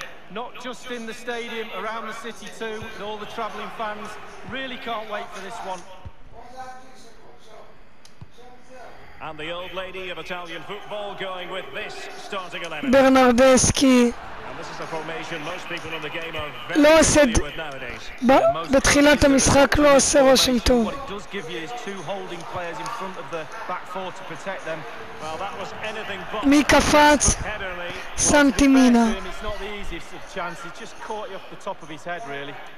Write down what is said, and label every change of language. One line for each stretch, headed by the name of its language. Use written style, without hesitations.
English: Not just in the stadium, around the city too, and all the travelling fans really can't wait for this one. And the old lady of Italian football going with this starting 11. Bernardeschi. And this is a formation most people in the game are very familiar with nowadays.
Hebrew: בתחילת המשחק לא עושה רושם טוב.
English: What it does give you is two holding players in front of the back four to protect them. Well, that was anything but...
Hebrew: מי קפץ?
English: סנטימינה. It's not the easiest of chances. Just caught you off the top of his head, really.